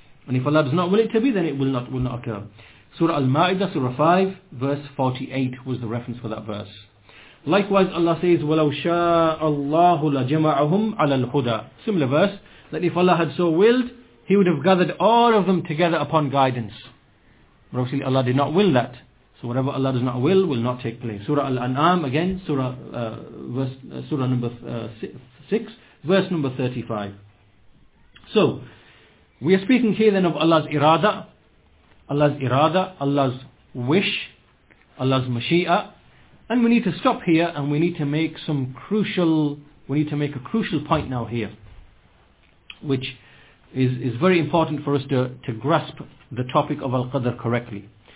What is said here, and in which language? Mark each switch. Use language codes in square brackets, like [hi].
[en] And if Allah does not will it to be, then it will not occur. Surah Al-Ma'idah, Surah 5, verse 48 was the reference for that verse. Likewise, Allah says, [ar] وَلَوْ شَاءَ اللَّهُ لَجَمَعَهُمْ عَلَى الْهُدَىٰ. [en] Similar verse, that if Allah had so willed, He would have gathered all of them together upon guidance. But obviously, Allah did not will that. So whatever Allah does not will not take place. Surah Al-An'am, again, Surah number 6, verse number 35. So, we are speaking here then of Allah's irada, Allah's wish, Allah's mashi'a, and we need to stop here and we need to make a crucial point now here, which is very important for us to grasp the topic of Al-Qadr correctly.